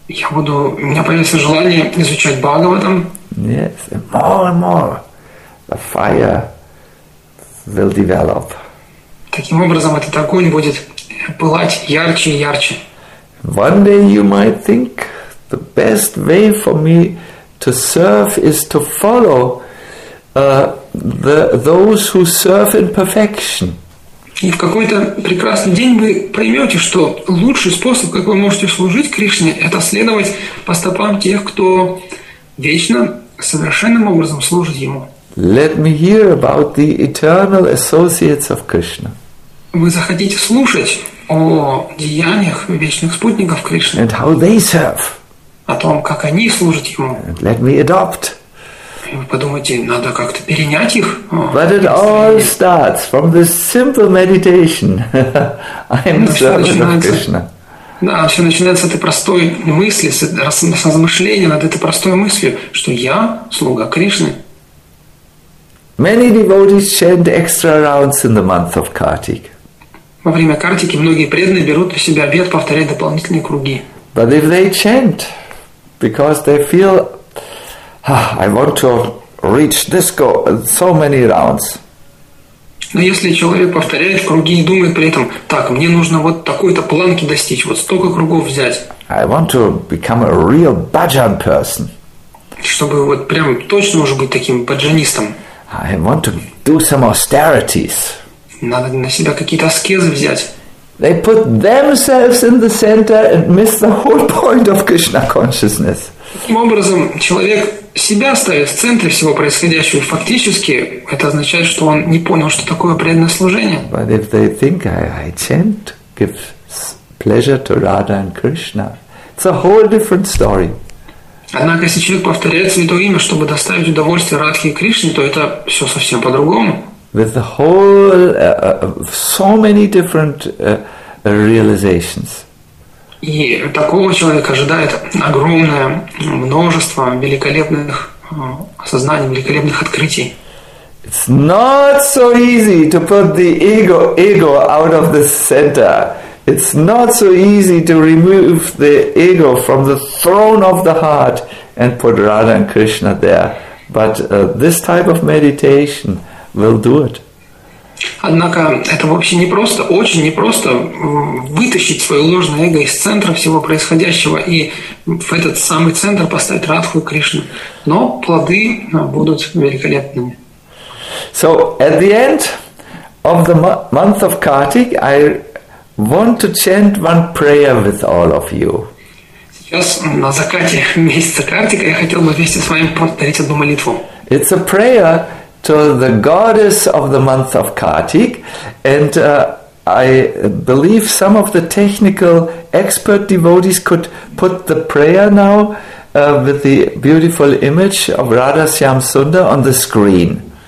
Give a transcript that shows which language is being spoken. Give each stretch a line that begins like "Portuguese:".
Russian: У меня появится желание изучать Бхагаватам.
English: Yes, and more and more. The fire will develop.
Russian: Таким образом, этот огонь будет пылать ярче и ярче.
English: One day you might think the best way for me to serve is to follow those who serve in perfection.
Russian: И в какой-то прекрасный день вы поймете, что лучший способ, как вы можете служить Кришне, это следовать по стопам тех, кто вечно, совершенным образом служит Ему.
English: Let me hear about the eternal associates of Krishna.
Russian: Вы захотите слушать о деяниях вечных спутников Кришны.
English: And how they serve.
Russian: О том, как они служат Ему.
English: And let me adopt.
Russian: И вы подумайте, надо как-то перенять их.
English: But it all starts from this simple meditation. I am servant of Krishna.
Russian: Да, все начинается с этой простой мысли, с размышления над этой простой мыслью, что я слуга Кришны.
English: Many devotees chant extra rounds in the month of Kartik.
Russian: Во время Картики многие преданные берут на себя обет повторять дополнительные круги.
English: But if they chant, because they feel I want to reach this goal so many rounds.
Russian: Но если человек повторяет круги и думает при этом, так, мне нужно вот такой-то планки достичь, вот столько кругов взять.
English: I want to become a real bhajan person.
Russian: Чтобы вот прям точно уже быть таким баджанистом.
English: I want to do some austerities.
Russian: Надо на себя какие-то аскезы взять.
English: They put themselves in the center and miss the whole point of Krishna consciousness.
Russian: Таким образом, человек себя ставит в центре всего происходящего. Фактически, это означает, что он не понял, что такое преданное служение.
English: But if they think I chant, give pleasure to Radha and Krishna, it's a whole different story.
Russian: Однако, если человек повторяет святое имя, чтобы доставить удовольствие Радхе и Кришне, то это все совсем по-другому.
English: With the whole, so many different realizations.
Russian: И такого человека ожидает огромное множество великолепных осознаний, великолепных открытий.
English: It's not so easy to put the ego out of the center. It's not so easy to remove the ego from the throne of the heart and put Radha and Krishna there. But this type of meditation will do it.
Russian: Однако это вообще непросто, очень непросто вытащить свое ложное эго из центра всего происходящего и в этот самый центр поставить Радху и Кришну. Но плоды будут великолепными.
English: So, at the end of the month of Kartik, I want to chant one prayer with all of you.
Russian: Сейчас на закате месяца Картика я хотел бы вместе с вами повторить одну молитву.
English: It's a prayer to the goddess of the month of Kartik, and I believe some of the technical expert devotees could put the prayer now with the beautiful image of Radha Syam Sunda on the screen.